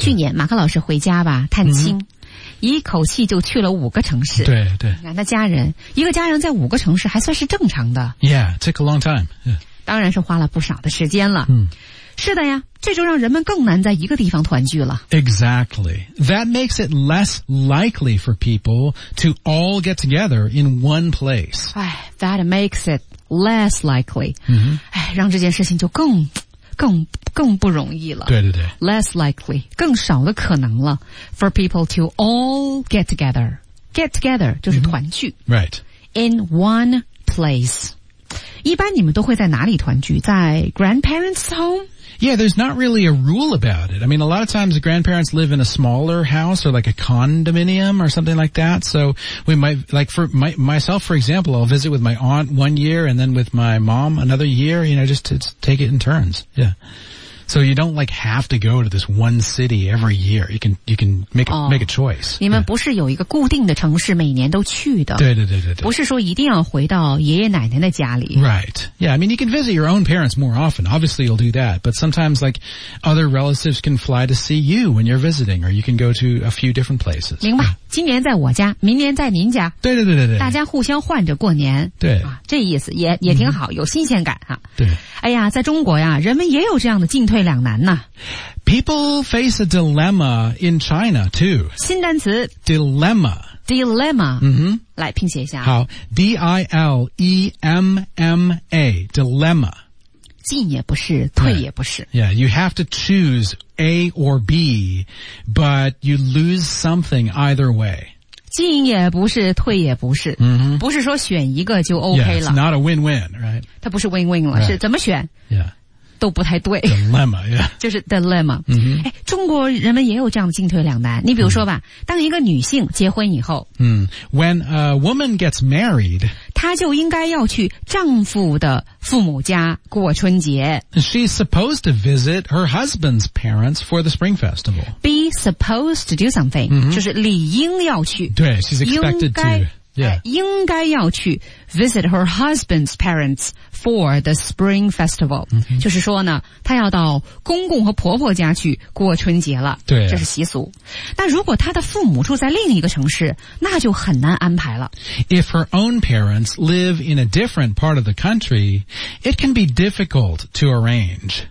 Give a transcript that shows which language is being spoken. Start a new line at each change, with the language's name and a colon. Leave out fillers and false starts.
Chinese: 去年马克老师回家吧，探亲。 Mm-hmm. 一口气就去了五个城市。对对。你看他家人，一个家人在五个城市还算是正常的。
English: Yeah, took a long time.、Yeah.
Chinese: 当然是花了不少的时间了。嗯、mm.。是的呀，这就让人们更难在一个地方团聚了。
English: Exactly. That makes it less likely for people to all get together in one place. 哎 ,that makes it less likely. 嗯、mm-hmm.
Chinese: 哎。哎让这件事情就更不容易了。对对对。
English: Less likely,
Chinese: 更少的可能了
English: for people to all get together. Get together
Chinese: 就是团聚。
English: Mm-hmm. Right. In one place.
Chinese: 一般你们都会在哪里团聚？
English: 在 grandparents' home? Yeah, there's not really a rule about it. I mean, a lot of times the grandparents live in a smaller house or like a condominium or something like that. So we might, like for myself, for example, I'll visit with my aunt one year and then with my mom another year, you know, just to take it in turns. Yeah. So you don't like have to go to this one city every year. You can make a choice.
Chinese: 你们不是有一个固定的城市每年都去的。对对对对对。不是说一定要回到爷爷奶奶的家里。
English: Right. Yeah, I mean, you can visit your own parents more often. Obviously, you'll do that. But sometimes, like, other relatives can fly to see you when you're visiting, or you can go to a few different places.
Chinese: 明白。今年在我家，明年在您家。对对对对对。大家互相换着过年。对。啊、这意思也挺好、嗯、有新鲜感啊。对。哎呀，在中国呀，人们也有这样的进退两难呐。
English: People face a dilemma in China, too.
Chinese: 新单词。
English: Dilemma。 Dilemma。嗯。
Chinese: 来拼写一下。
English: 好。D-I-L-E-M-M-A。 Dilemma。
Chinese: 进也不是，退也不是。
English: Yeah. Yeah, you have to choose A or B, but you lose something either way.
Chinese: 进也不是，退也不是。 Mm-hmm. 不是说选一个就 OK 了。
English: Yeah, it's not a win-win, right?
Chinese: 它不是 win-win 了，right. 是怎么选？
English: Yeah.
Chinese: 都不太对
English: dilemma、yeah.
Chinese: 就是 dilemma、 mm-hmm. 中国人们也有这样的进退两难你比如说吧、mm-hmm. 当一个女性结婚以后、
English: mm-hmm. When a woman gets married
Chinese: 她就应该要去丈夫的父母家过春节。
English: She's supposed to visit her husband's parents for the Spring Festival. Be supposed to do something,、mm-hmm.
Chinese: 就是理应要去。
English: 对 ,she's expected to. Yeah.
Chinese: 应该要去
English: visit her husband's parents for the spring festival.、 Mm-hmm.
Chinese: 就是说呢她要到公公和婆婆家去过春节了。对、啊。这是习俗。那如果她的父母住在另一个城市那就很难安排了。
English: If her own parents live in a different part of the country, it can be difficult to arrange.